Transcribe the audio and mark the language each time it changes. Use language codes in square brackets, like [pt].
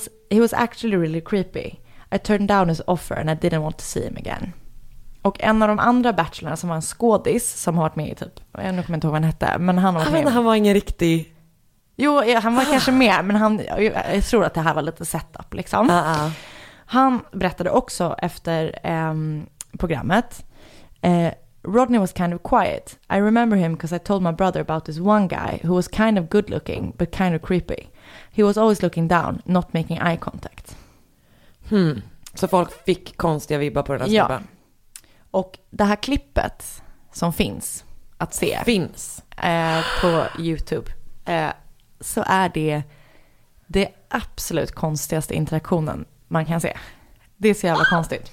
[en] He was actually really creepy. I turned down his offer and I didn't want to see him again. [sv] Och en av de andra bachelorna som var en skådis som har varit med i typ, jag kommer inte ihåg vad han hette, men han var med. Han var ingen riktig. Jo, han var kanske med, men jag tror att det här var lite setup liksom. Han berättade också efter programmet. [en] Rodney was kind of quiet. I remember him because I told my brother about this one guy who was kind of good looking but kind of creepy. He was always looking down, not making eye contact. Hmm. [sv] Så folk fick konstiga vibbar på den här snubben. Ja. Och det här klippet som finns att se. Finns. På YouTube. Så är det det absolut konstigaste interaktionen man kan se. Det är så jävla konstigt.